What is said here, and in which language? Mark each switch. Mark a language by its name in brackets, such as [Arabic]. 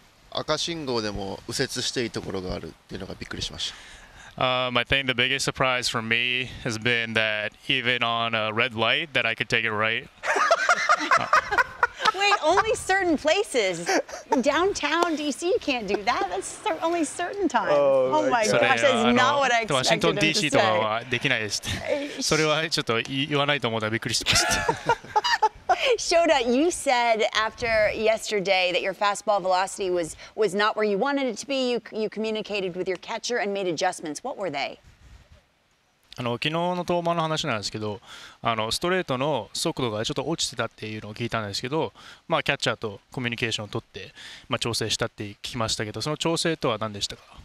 [Japanese] 赤信号でも右折していいところがあるっていうのがびっくりしました。 [English] I think the biggest surprise for me has been that even on a red light that I could take it right. Wait, only certain places. Downtown DC can't do that. That's only certain times. Oh my gosh, that's not what I expected. [Japanese] ワシントン DC とかはできないです。それはちょっと言わないと思ったらびっくりしました。 [English] Shota, you said after yesterday that your fastball velocity was not where you wanted it to be. You communicated with your catcher and made adjustments. What were they? [Japanese] 昨日の登板の話なんですけど、ストレートの速度がちょっと落ちてたっていうのを聞いたんですけど、キャッチャーとコミュニケーションを取って、調整したって聞きましたけど、その調整とは何でしたか？